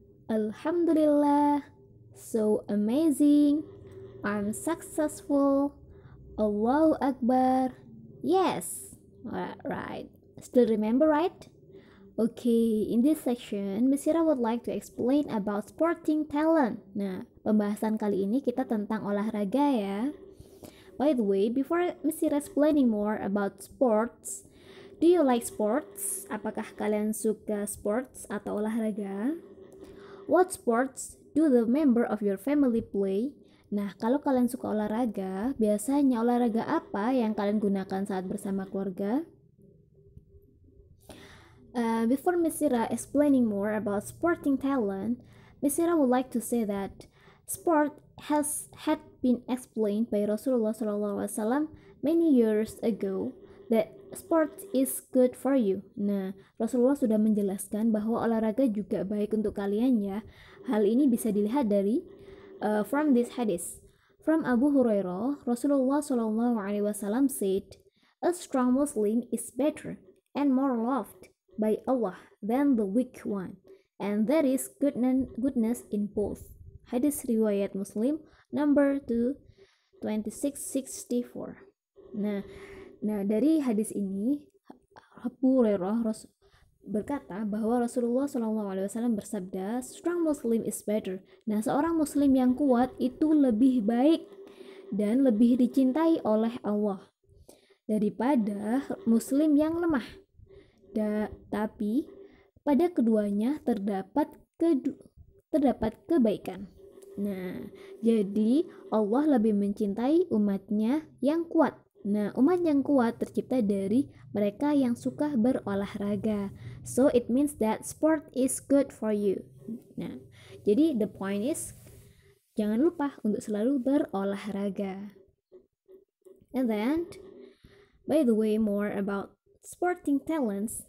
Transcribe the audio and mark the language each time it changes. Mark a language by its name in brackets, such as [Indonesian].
[English] Alhamdulillah, so amazing. I'm successful. Allahu Akbar. Yes. Right. Still remember, right? Okay, in this section, Miss Sira would like to explain about sporting talent. [Indonesian] Nah, pembahasan kali ini kita tentang olahraga ya. [English] By the way, before Miss Sira explaining more about sports, do you like sports? [Indonesian] Apakah kalian suka sports atau olahraga? [English] What sports do the member of your family play? [Indonesian] Nah, kalau kalian suka olahraga, biasanya olahraga apa yang kalian gunakan saat bersama keluarga? [English] Before Miss Sira explaining more about sporting talent, Miss Sira would like to say that sport had been explained by Rasulullah sallallahu alaihi wasallam many years ago that sport is good for you. [Indonesian] Nah, Rasulullah sudah menjelaskan bahwa olahraga juga baik untuk kalian ya. Hal ini bisa dilihat dari [English] from this hadith. From Abu Hurairah, Rasulullah sallallahu alaihi wasallam said, "A strong Muslim is better and more loved by Allah than the weak one, and there is goodness in both." [Indonesian] Hadis riwayat Muslim number 2664. Nah, dari hadis ini Abu Hurairah berkata bahwa Rasulullah sallallahu alaihi wasallam bersabda, [English] "Strong Muslim is better." [Indonesian] Nah, seorang muslim yang kuat itu lebih baik dan lebih dicintai oleh Allah daripada muslim yang lemah. Tapi pada keduanya terdapat kebaikan. Nah, jadi Allah lebih mencintai umatnya yang kuat. Nah, umat yang kuat tercipta dari mereka yang suka berolahraga. [English] So it means that sport is good for you. [Indonesian] Nah, jadi [English] the point is [Indonesian] jangan lupa untuk selalu berolahraga. [English] And then, by the way, more about sporting talents.